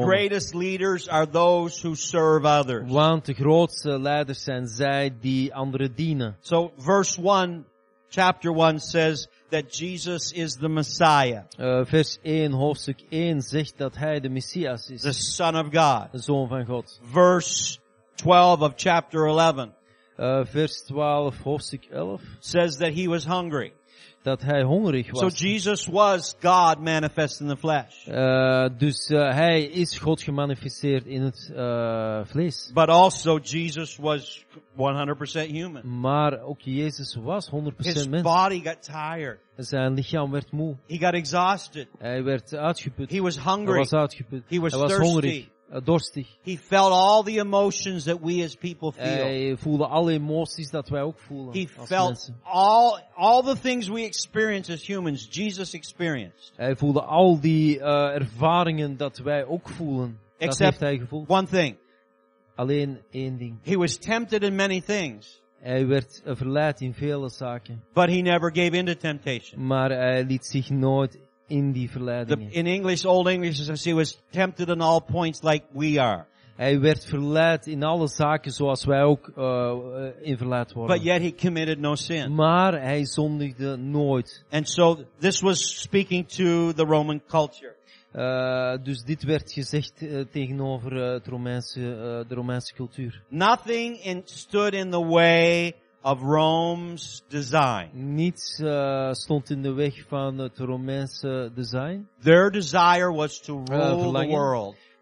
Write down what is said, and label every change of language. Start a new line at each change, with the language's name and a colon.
English: The greatest leaders are those who serve others.
Dutch: Want de grootste leiders zijn zij die anderen dienen.
English: So verse 1, chapter 1 says that Jesus is the Messiah.
Dutch: Vers 1, hoofdstuk 1 zegt dat hij de Messias is.
English: The Son of God.
Dutch: De Zoon van God.
English: Verse 12 of chapter 11.
Dutch: Vers 12, hoofdstuk 11.
English: Says that he was hungry.
Dutch: Dat hij hongerig was.
English: So Jesus was God manifest in the flesh.
Dutch: Dus hij is God gemanifesteerd in het vlees.
English: But also Jesus was 100% human.
Dutch: Maar ook Jezus was 100%
English: His
Dutch: mens.
English: His body got tired.
Dutch: Zijn lichaam werd moe.
English: He got exhausted.
Dutch: Hij werd uitgeput.
English: He was hungry.
Dutch: Hij was uitgeput.
English: He was
Dutch: hij was
English: thirsty.
Dutch: Hongerig. Dorstig.
English: He felt all the emotions that we as people feel.
Dutch: Hij voelde alle emoties dat wij ook voelen.
English: He felt all the things we experience as humans, Jesus experienced.
Dutch: Hij voelde al die ervaringen dat wij ook voelen.
English: Except
Dutch: dat heeft hij gevoeld.
English: One thing.
Dutch: Alleen één ding.
English: He was tempted in many things.
Dutch: Hij werd verleid in vele zaken.
English: But he never gave in to temptation.
Dutch: Maar hij liet zich nooit in die verleidingen.
English: In English, old English, says he was tempted in all points like we are.
Dutch: Hij werd verleid in alle zaken zoals wij ook in verleid worden.
English: But yet he committed no sin.
Dutch: Maar hij zondigde nooit.
English: And so this was speaking to the Roman culture.
Dutch: Dus dit werd gezegd tegenover de Romeinse cultuur.
English: Nothing stood in the way of Rome's design.
Dutch: Niets stond in de weg van het Romeinse design.
English: Their desire was to rule the world.